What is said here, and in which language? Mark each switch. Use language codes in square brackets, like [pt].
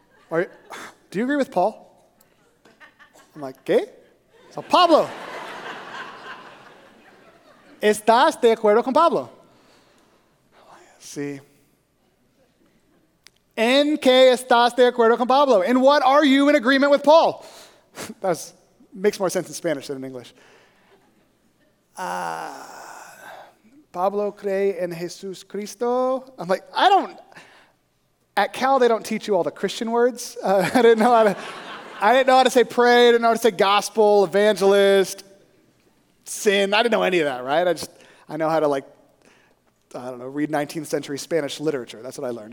[en] Do you agree with Paul? I'm like, [es] ¿qué? [en] So, Pablo. [es] ¿Estás de acuerdo con Pablo? Sí. ¿En qué estás de acuerdo con Pablo? [en] In what are you in agreement with Paul? That makes more sense in Spanish than in English. [es] Pablo cree en Jesús Cristo. [en] I'm like, I don't. At Cal, they don't teach you all the Christian words. I didn't know how to say pray. I didn't know how to say gospel, evangelist, sin. I didn't know any of that, right? I know how to, like, I don't know, read 19th century Spanish literature. That's what I learned.